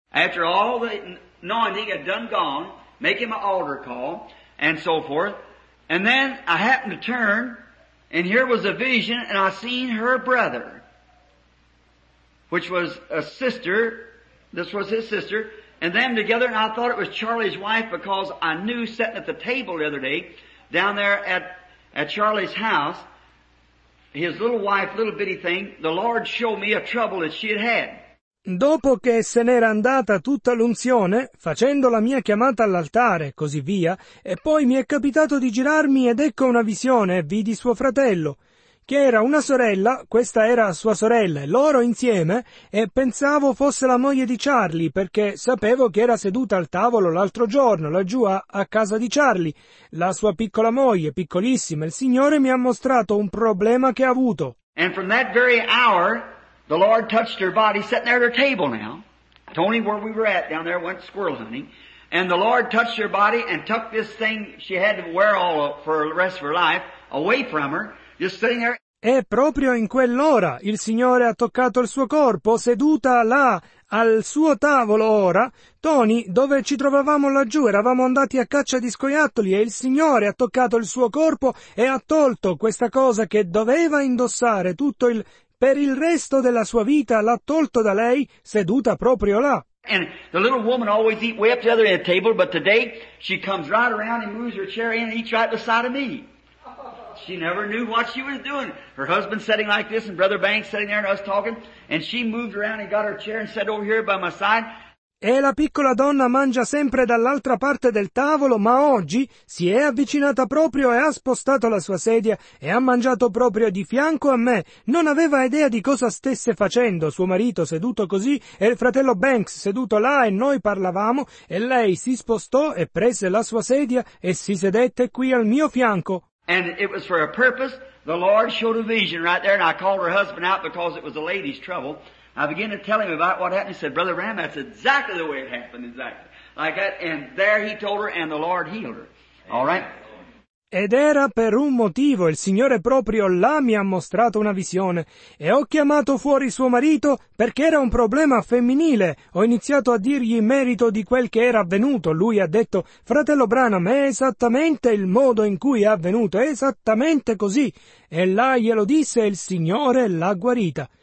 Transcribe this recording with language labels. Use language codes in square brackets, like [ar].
[en] After all the anointing had done gone, making my altar call, and so forth, and then I happened to turn. And here was a vision, and I seen her brother, which was a sister, this was his sister, and them together, and I thought it was Charlie's wife because I knew sitting at the table the other day, down there at Charlie's house, his little wife, little bitty thing, the Lord showed me a trouble that she had had. [it] Dopo che se n'era andata tutta l'unzione, facendo la mia chiamata all'altare, così via, e poi mi è capitato di girarmi ed ecco una visione, vidi suo fratello, che era una sorella, questa era sua sorella, e loro insieme, e pensavo fosse la moglie di Charlie, perché sapevo che era seduta al tavolo l'altro giorno, laggiù a casa di Charlie, la sua piccola moglie, piccolissima, il Signore mi ha mostrato un problema che ha avuto. [en] And from that very hour... The Lord touched her body, sitting there at her table now. Tony, where we were at down there, went squirrel hunting. And the Lord touched her body and took this thing she had to wear all for the rest of her life away from her, just sitting there. [it] E proprio in quell'ora il Signore ha toccato il suo corpo, seduta là, al suo tavolo ora. Tony, dove ci trovavamo laggiù, eravamo andati a caccia di scoiattoli e il Signore ha toccato il suo corpo e ha tolto questa cosa che doveva indossare tutto il... Per il resto della sua vita l'ha tolto da lei, seduta proprio là. [en] And the little woman always eat way up the other end of the table, but today she comes right around and moves her chair in and eats right beside of me. She never knew what she was doing. Her husband sitting like this and Brother Banks sitting there and us talking, and she moved around and got her chair and sat over here by my side. [it] E la piccola donna mangia sempre dall'altra parte del tavolo, ma oggi si è avvicinata proprio e ha spostato la sua sedia e ha mangiato proprio di fianco a me. Non aveva idea di cosa stesse facendo, suo marito seduto così e il fratello Banks seduto là e noi parlavamo e lei si spostò e prese la sua sedia e si sedette qui al mio fianco. [en] And it was for a purpose. The Lord showed a vision right there and I called her husband out because it was a lady's trouble. I began to tell him about what happened. He said, Brother Ram, that's exactly the way it happened, exactly. Like that, and there he told her, and the Lord healed her. All right? [it] Ed era per un motivo, il Signore proprio là mi ha mostrato una visione, e ho chiamato fuori suo marito perché era un problema femminile, ho iniziato a dirgli in merito di quel che era avvenuto, lui ha detto, fratello Branham, è esattamente il modo in cui è avvenuto, è esattamente così, e là glielo disse, il Signore l'ha guarita.